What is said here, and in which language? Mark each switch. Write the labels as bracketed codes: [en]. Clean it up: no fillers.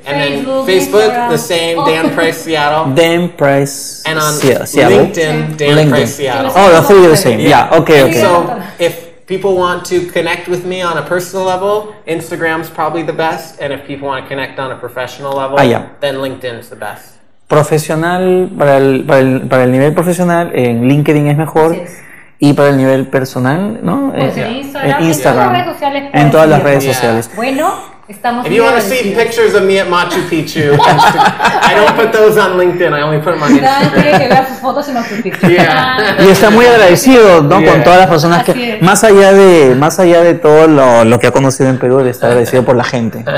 [en] And then Facebook, the same. Dan Price Seattle. Dan Price. And on Seattle. LinkedIn, Dan LinkedIn. Price Seattle. Oh, the three are the same. Yeah. Okay. So if people want to connect with me on a personal level, Instagram's probably the best. And if people want to connect on a professional level, then LinkedIn's the best. [es] Profesional, para el nivel profesional, en LinkedIn es mejor. [en] Yes. [es] Y para el nivel personal, ¿no? Pues en Instagram. Redes sociales, en todas las redes sociales. Bueno, estamos. [en] If you want to see pictures of me at Machu Picchu, I don't put those on LinkedIn. I only put them on Instagram. [es] Tiene que ver sus fotos en Machu Picchu. [en] Yeah. [es] Y está muy agradecido, ¿no? [en] Yeah. [es] Con todas las personas que más allá de todo lo que ha conocido en Perú, le está agradecido por la gente.